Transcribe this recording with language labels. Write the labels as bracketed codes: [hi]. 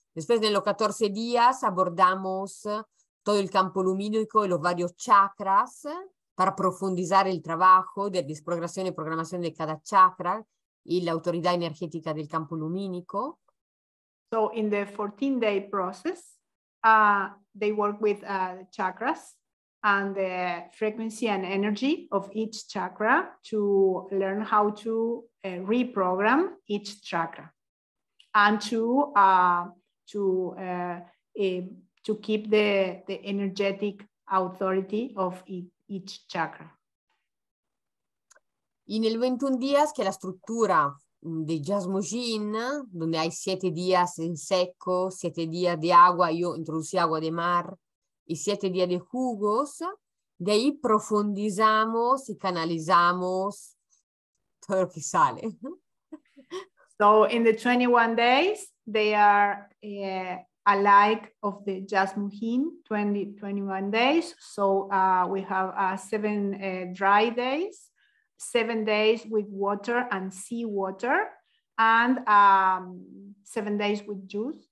[es] Después de los 14 días abordamos todo el campo lumínico y los varios chakras para profundizar el trabajo de desprogramación y programación de cada chakra y la autoridad energética del campo lumínico. [en] So in the 14 day process, they work with chakras and the frequency and energy of each chakra to learn how to reprogram each chakra. And to keep the energetic authority of each chakra. [es] In el 21 días, que la estructura de Jasmojin, donde hay 7 días en seco, 7 días de agua, yo introducí agua de mar, y 7 días de jugos, de ahí profundizamos y canalizamos todo lo que sale. [en] So in the 21 days, they are alike of the Jasmujin, 21 days. So we have 7 dry days, 7 days with water and seawater, and 7 days with juice.